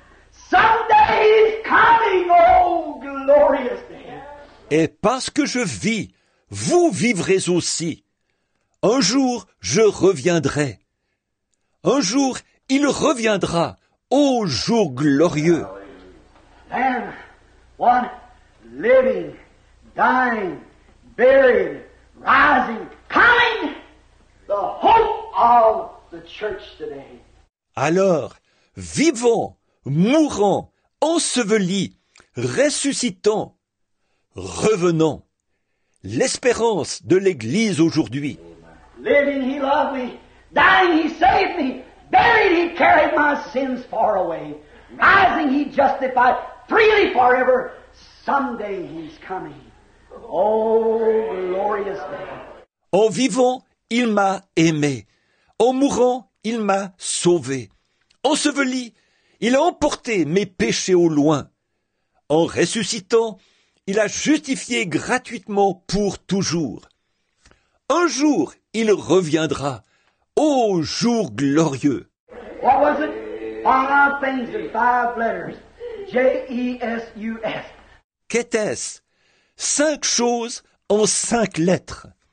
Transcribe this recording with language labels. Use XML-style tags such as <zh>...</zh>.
<en>Someday is coming, oh glorious day.</en> <fr>Et parce que je vis, vous vivrez aussi. Un jour, je reviendrai. Un jour, il reviendra, ô jour glorieux.</fr> <en>Then, one living, dying, buried, rising, coming, the hope of the church today.</en> <fr>Alors, vivant, mourant, enseveli, ressuscitant, revenant, l'espérance de l'Église aujourd'hui.</fr> <en>Living, he loved me. Dying, he saved me. Buried, he carried my sins far away. Rising, he justified freely forever. Someday he's coming. Oh, glorious day.</en> <fr>En vivant, il m'a aimé. En mourant, il m'a sauvé. Enseveli, il a emporté mes péchés au loin. En ressuscitant, il a justifié gratuitement pour toujours. Un jour, il reviendra. Ô jour glorieux.</fr> <en>What was it? Five things in five letters. J-E-S-U-S.</en> <fr>Qu'était-ce? Cinq choses en cinq lettres.</fr>